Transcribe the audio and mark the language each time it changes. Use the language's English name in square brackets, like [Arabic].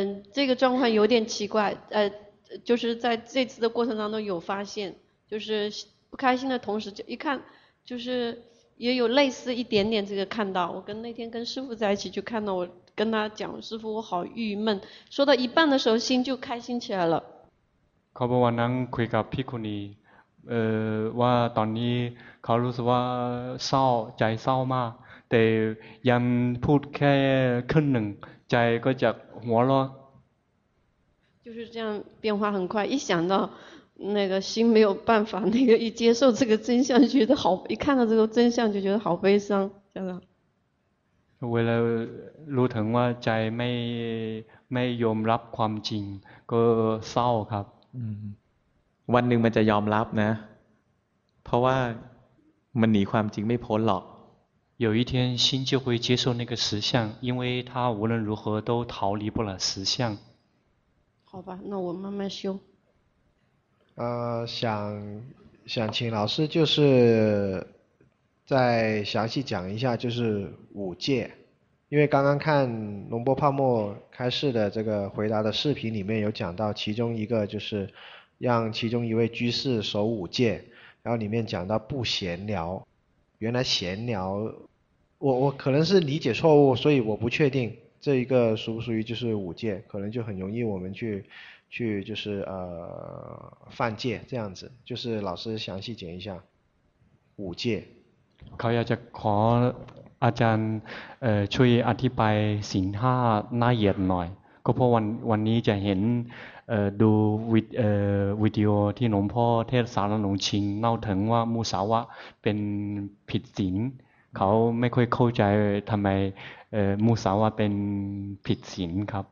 [Chinese] 这个状况有点奇怪，就是在这次的过程当中有发现，就是不开心的同时就一看，就是也有类似一点点这个看到。我跟那天跟师父在一起就看到，我跟他讲，师父我好郁闷，说到一半的时候心就开心起来了。 [Thai] ขอบวันนั้นคุยกับพี่คุณีว่าตอนนี้เขารู้สึกว่าเศร้าใจเศร้ามากแต่ยังพูดแค่ครึ่งหนึ่งใจก็จะหัวร้อน [Chinese] 就是这样变化很快一想到那个心没有办法那个一接受这个真相觉得好一看到这个真相就觉得好悲伤这样的为了 [Thai] รู้ถึงว่าใจไม่ยอมรับความจริงก็เศร้าครับ วันหนึ่งมันจะยอมรับนะเพราะว่ามันหนีความจริงไม่พ้นหรอก [Chinese] 有一天心就会接受那个实相因为它无论如何都逃离不了实相好吧那我慢慢修想请老师就是再详细讲一下就是五戒因为刚刚看龙波帕默开示的这个回答的视频里面有讲到其中一个就是让其中一位居士守五戒然后里面讲到不闲聊原来闲聊我可能是理解错误，所以我不确定这一个属不属于就是五戒，可能就很容易我们去就是犯戒这样子，就是老师详细讲一下五戒。 [Thai] เขาอยากจะขออาจารย์ช่วยอธิบายศีลห้าละเอียดหน่อยก็เพราะวันนี้จะเห็นดูวิดีโอที่หลวงพ่อเทศสารหลวงชิงเล่าถึงว่ามุสาวะเป็นผิดศีลเขาไม่ค่อยเข้าใจทำไมมุสาวะเป็นผิดศีลครับ